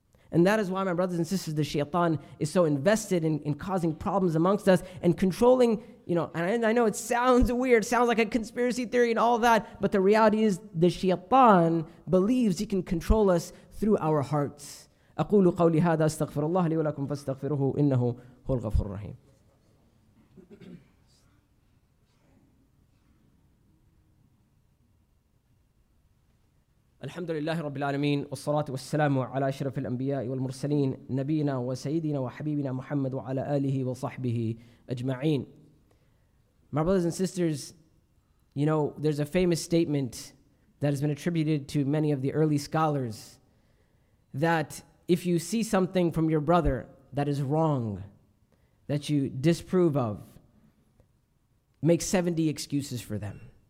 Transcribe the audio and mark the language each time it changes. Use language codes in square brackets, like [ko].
[en] And that is why, my brothers and sisters, the shaitan is so invested in causing problems amongst us and controlling, you know, and I know it sounds weird, sounds like a conspiracy theory and all that, but the reality is the shaitan believes he can control us through our hearts. [ar] أقول قولي هذا استغفر الله لي ولكم فاستغفروه إنه هو الغفور الرحيم. الحمد لله رب العالمين والصلاة والسلام على أشرف الأنبياء والمرسلين نبينا وسيدنا وحبيبنا محمد وعلى آله وصحبه أجمعين. [en] My brothers and sisters, you know, there's a famous statement that has been attributed to many of the early scholars that if you see something from your brother that is wrong, that you disprove of, make 70 excuses for them.